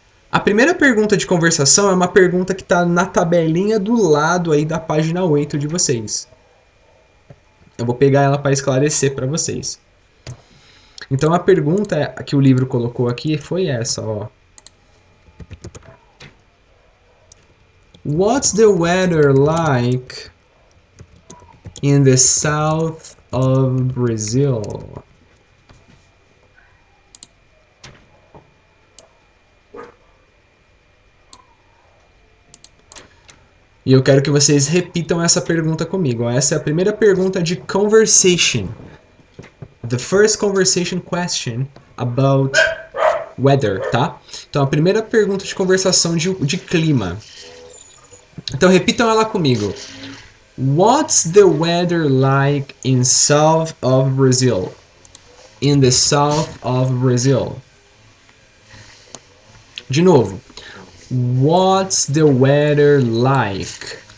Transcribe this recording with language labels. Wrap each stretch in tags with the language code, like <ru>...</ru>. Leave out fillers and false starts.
<pt>A primeira pergunta de conversação é uma pergunta que tá na tabelinha do lado aí da página 8 de vocês. Eu vou pegar ela para esclarecer para vocês. Então a pergunta que o livro colocou aqui foi essa, ó.</pt> <en>What's the weather like in the south of Brazil?</en> <pt>E eu quero que vocês repitam essa pergunta comigo. Essa é a primeira pergunta de conversation.</pt> <en>The first conversation question about weather, tá?</en> <pt>Então, a primeira pergunta de conversação de clima. Então, repitam ela comigo.</pt> <en>What's the weather like in south of Brazil? In the south of Brazil.</en> <pt>De novo.</pt> <en>What's the weather like?</en>